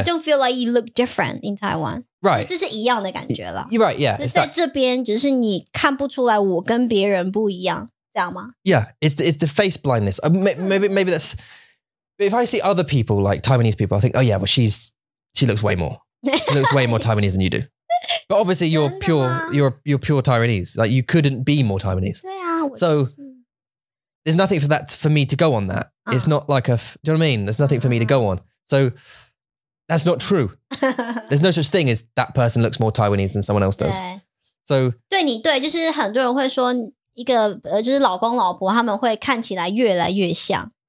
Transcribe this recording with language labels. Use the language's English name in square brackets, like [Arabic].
[English] I don't feel like you look different in Taiwan. Right. [Chinese] 这是一样的感觉了。 [English] You're right, yeah. [Chinese] 在这边只是你看不出来我跟别人不一样，这样吗？ [English] Yeah, it's the face blindness. Maybe that's... If I see other people, like Taiwanese people, I think, oh yeah, well she looks way more. She looks way more Taiwanese than you do. But obviously you're pure Taiwanese. Like you couldn't be more Taiwanese. [Chinese] 对啊，我。 [English] So there's nothing for that, for me to go on that. It's not like a... Do you know what I mean? There's nothing for me to go on. So... That's not true. There's no such thing as that person looks more Taiwanese than someone else does. So, [Chinese] 对你对，就是很多人会说一个就是老公老婆他们会看起来越来越像。